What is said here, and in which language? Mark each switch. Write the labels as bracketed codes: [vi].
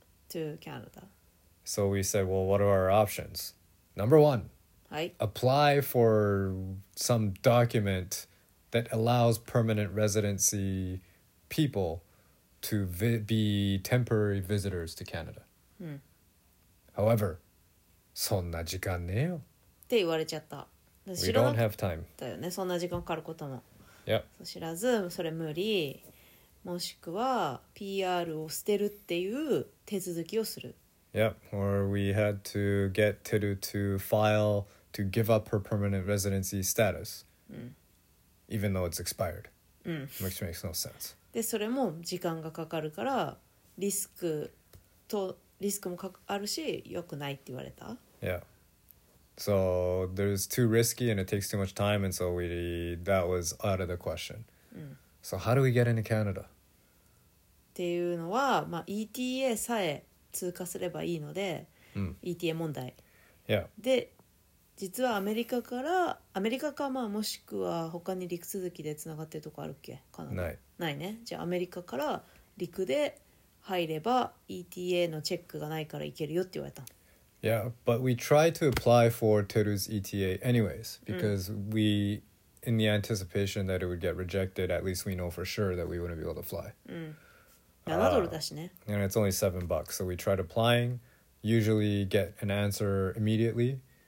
[en] To Canada. So we said, well, what are our options? Number one, apply for some document that allows permanent residency people to be temporary visitors to Canada. [ja] However, そんな時間ねよ。って言われちゃった。 [en] We don't have time. [ja] だよね、そんな時間かかることも。 [en] Yep. [ja] 知らず、それ無理。もしくは PR を捨てるっていう手続きをする。 [en] Yep, or we had to get Teru to file to give up her permanent residency status. Even though it's expired. Which makes no sense. [ja] で、それも時間がかかるからリスクもあるし、良くないって言われた。 [en] Yeah. So, there's too risky and it takes too much time and so that was out of the question. So how do we get into Canada? [ja] っていうのは、まあ、ETA さえ通過すればいいので、ETA 問題。 [en] Yeah. [ja] で、実はアメリカか、まあ、もしくは他に陸続きでつながってるとこあるっけ？カナダ。ない。ないね。じゃあアメリカから陸で入れば ETA のチェックがないから行けるよって言われた。 [en] Yeah, but we tried to apply for Teru's ETA anyways, because we... in the anticipation that it would get rejected, at least we know for sure that we wouldn't be able to fly. And it's only $7. So we tried applying, usually get an answer immediately.